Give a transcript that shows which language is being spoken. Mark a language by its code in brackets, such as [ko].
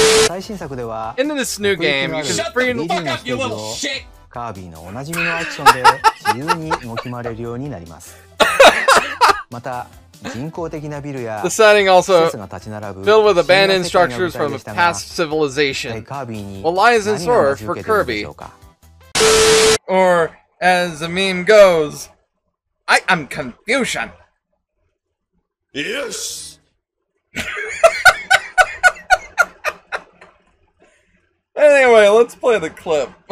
[en] And then this new game, you can freaking shut the fuck up, you little shit! [ja] カービィのおなじみのアクションで自由に動き回れるようになります。また人工的なビルや施設が立ち並ぶ新たな舞台でしたが、カービィに何が待ち受けているでしょうか。カービィに何が待ち受けているでしょうか。 [en] Or as the meme goes, I am confusion. Yes. Anyway, let's play the clip.